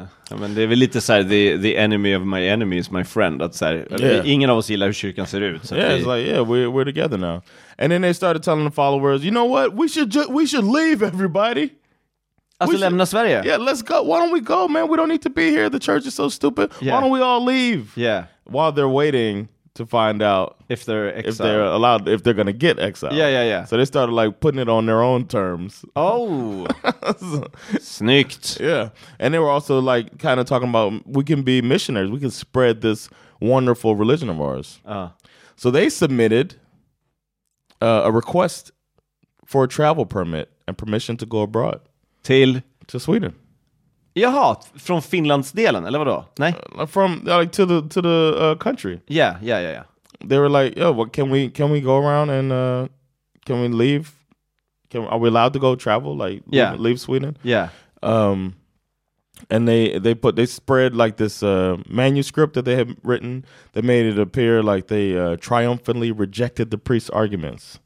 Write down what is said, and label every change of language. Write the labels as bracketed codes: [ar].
[en] I mean, [sv] det är väl lite så här, [en] the enemy of my enemy is my friend. That's här, yeah. [sv] Ingen av oss gillar hur kyrkan ser ut. [en] Så yeah, it's like, yeah, we're together now. And then they started telling the followers, you know what? We should leave, everybody. [sv] Alltså lämna Sverige? [en] Yeah, let's go. Why don't we go, man? We don't need to be here. The church is so stupid. Yeah. Why don't we all leave? Yeah. While they're waiting to find out if they're going to get exiled. Yeah, yeah, yeah. So they started like putting it on their own terms. Oh, so, sneaked. Yeah. And they were also like kind of talking about, we can be missionaries. We can spread this wonderful religion of ours. So they submitted a request for a travel permit and permission to go abroad. To Sweden. [sv] Jaha, från Finlandsdelen, eller vadå? Nej. [en] From like to the country. Yeah, yeah, yeah, yeah. They were like, "Yo, what can we go around and can we leave? Are we allowed to go travel leave Sweden?" Yeah. And they spread like this manuscript that they had written that made it appear like they triumphantly rejected the priest's arguments.